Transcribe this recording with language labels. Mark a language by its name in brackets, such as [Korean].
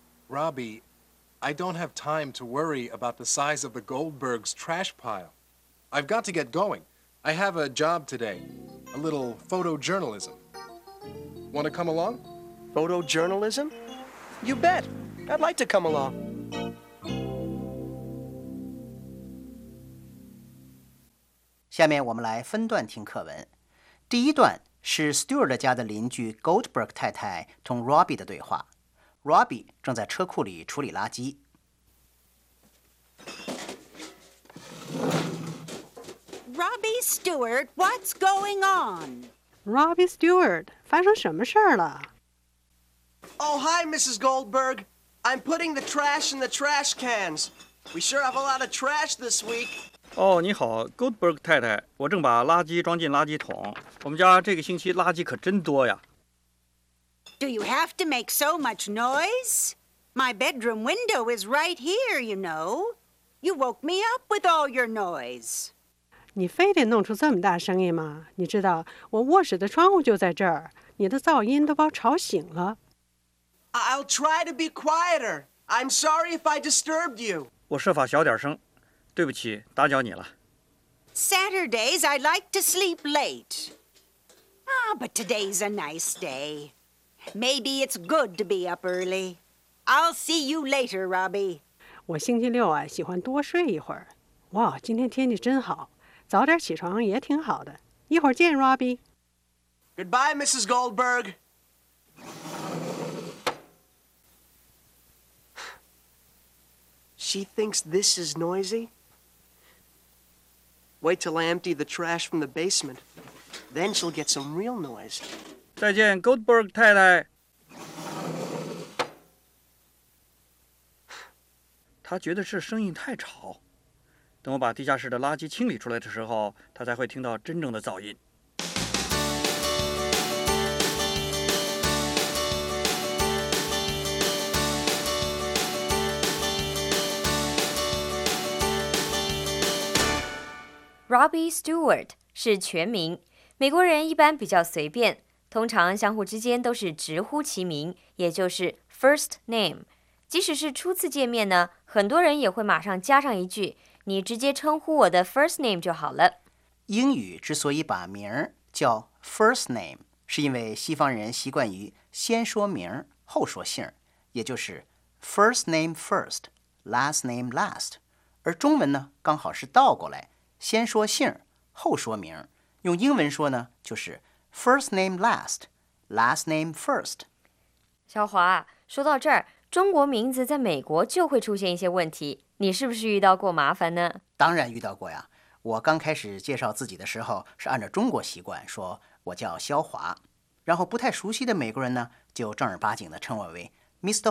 [English] Robbie, I don't have time to worry about the size of the Goldbergs' trash pile. I've got to get going. I have a job today. A little photojournalism. Want to come along? Photojournalism? You bet. I'd like to come along. [Chinese] 下面我们来分段听课文。第一段是 Stewart 家的邻居 Goldberg 太太同 Robbie 的对话。 Robbie 正在车库里处理垃圾。 [English] Robbie Stewart, what's going on? [Chinese] Robbie Stewart, 发生什么事了？ [English] Oh, hi, Mrs. Goldberg. I'm putting the trash in the trash cans. We sure have a lot of trash this week. [Chinese] Oh, 你好 ,Goldberg 太太。我正把垃圾装进垃圾桶。我们家这个星期垃圾可真多呀。 [English] Do you have to make so much noise? My bedroom window is right here, you know. You woke me up with all your noise. [Chinese] 你非得弄出这么大声音吗？你知道我卧室的窗户就在这儿，你的噪音都把我吵醒了。 [English] I'll try to be quieter. I'm sorry if I disturbed you. [Chinese] 我设法小点声，对不起，打搅你了。 [English] Saturdays I like to sleep late. Ah, but today's a nice day. Maybe it's good to be up early. I'll see you later, Robbie. [Chinese] 我星期六啊，喜欢多睡一会儿。哇，今天天气真好，早点起床也挺好的。一会儿见 ，Robbie. [English] Goodbye, Mrs. Goldberg. She thinks this is noisy. Wait till I empty the trash from the basement. Then she'll get some real noise. [Chinese] 再见 ,Goldberg 太太。他觉得这声音太吵。等我把地下室的垃圾清理出来的时候，他才会听到真正的噪音。 Robbie Stewart 是全名，美国人一般比较随便。通常相互之间都是直呼其名，也就是 first name。即使是初次见面呢，很多人也会马上加上一句，你直接称呼我的 first name 就好了。英语之所以把名叫 first name， 是因为西方人习惯于先说名后说姓，也就是 [English] first name first， last name last。 [Chinese] 而中文呢，刚好是倒过来，先说姓后说名。用英文说呢，就是 [English] First name last, last name first. [Chinese] 小华，说到这儿，中国名字在美国就会出现一些问题，你是不是遇到过麻烦呢？当然遇到过呀。我刚开始介绍自己的时候是按照中国习惯说我叫肖华，然后不太熟悉的美国人呢就正儿八经的称我为 Mr.